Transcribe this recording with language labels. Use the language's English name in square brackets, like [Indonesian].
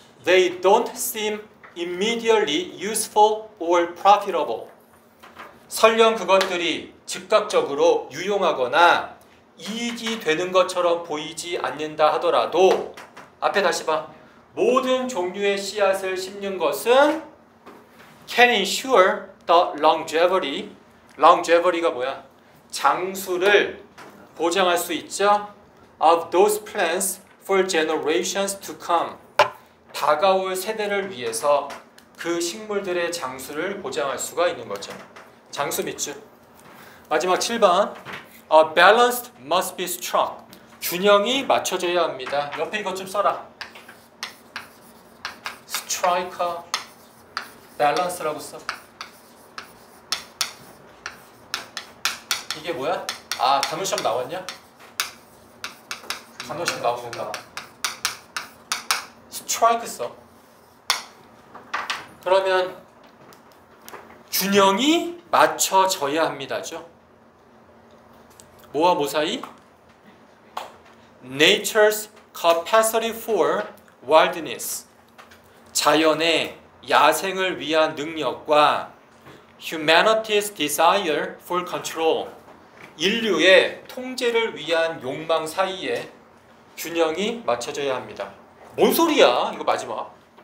[English] They don't seem immediately useful or profitable. [Korean] 설령 그것들이 즉각적으로 유용하거나 이익이 되는 것처럼 보이지 않는다 하더라도, 앞에 다시 봐. 모든 종류의 씨앗을 심는 것은 [English] can ensure the longevity. [Korean] Longevity가 뭐야? 장수를 보장할 수 있죠? [English] Of those plants for generations to come. [Korean] 다가올 세대를 위해서 그 식물들의 장수를 보장할 수가 있는 거죠. 장수 밑줄. 마지막 7번. [English] A balance must be struck. [Korean] 균형이 맞춰져야 합니다. 옆에 이것 좀 써라. Strike a balance라고 써. 이게 뭐야? 아, 담임시험 나왔냐? 담임시험 나오는가? Strike 써. 그러면 균형이 맞춰져야 합니다죠. 뭐와 뭐 사이? [English] Nature's capacity for wildness. [Korean] 자연의 야생을 위한 능력과 [English] humanity's desire for control. [Korean] 인류의 통제를 위한 욕망 사이에 균형이 맞춰져야 합니다. 뭔 소리야? 이거 마지막.